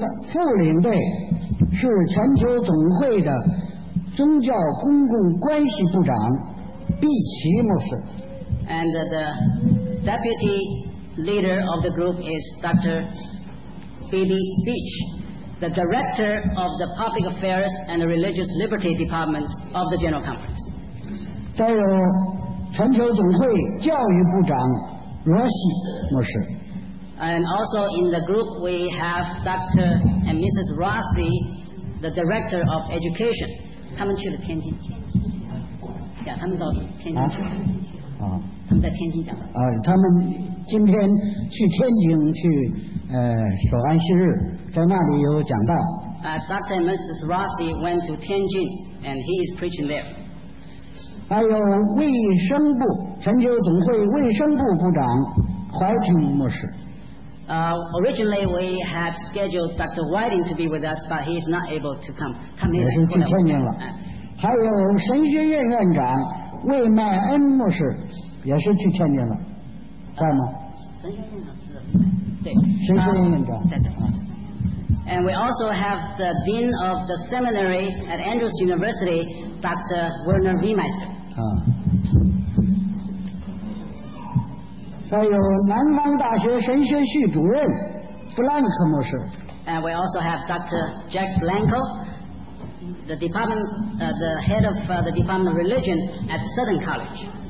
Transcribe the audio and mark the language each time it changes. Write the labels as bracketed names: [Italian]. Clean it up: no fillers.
[Chinese] 副领队是全球总会的宗教公共关系部长毕奇牧师。 [English] And the deputy leader of the group is Dr. Billy Beach, the director of the Public Affairs and Religious Liberty Department of the General Conference. [Chinese] 再有全球总会教育部长罗西牧师。 [English] And also in the group we have Dr. and Mrs. Rossi,The director of education, [Chinese] 他们去了天津。他们到天津去了。他们在天津讲的。他们今天去天津去守安息日，在那里有讲道。 [English] Dr. and Mrs. Rossi went to Tianjin, and he is preaching there. [Chinese] 还有卫生部，全球总会卫生部部长怀廷牧师。 [English] Originally, we had scheduled Dr. Whiting to be with us, but he is not able to come. [Chinese] 他没来过。也是去天津了。还有神学院院长魏麦恩牧师，也是去天津了，在吗？神学院院长是。对。神学院院长。在。 [English] And we also have the dean of the seminary at Andrews University, Dr. Werner Wiemeister. [Chinese] 还有南方大学神学系主任弗兰克牧师。 [English] And we also have Dr. Jack Blanco, the department, the head of the Department of Religion at Southern College.